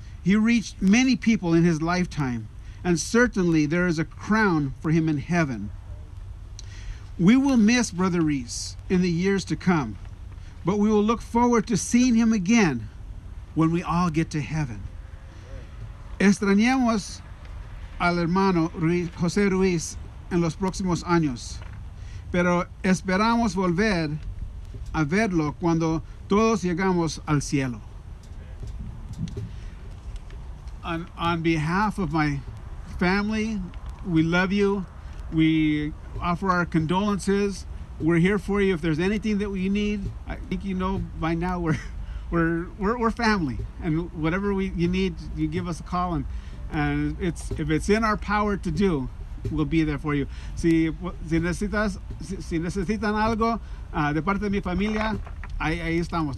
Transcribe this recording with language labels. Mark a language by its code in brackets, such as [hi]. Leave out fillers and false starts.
[en] He reached many people in his lifetime, and certainly there is a crown for him in heaven. We will miss Brother Reese in the years to come, but we will look forward to seeing him again when we all get to heaven. [es] Extrañamos al hermano José Ruiz en los próximos años, pero esperamos volver a verlo cuando todos llegamos al cielo. [en] On behalf of my family, we love you. We offer our condolences. We're here for you if there's anything that you need. I think you know by now we're family, and whatever you need, you give us a call, and if it's in our power to do, we'll be there for you. [es] Si necesitan algo de parte de mi familia, ahí estamos.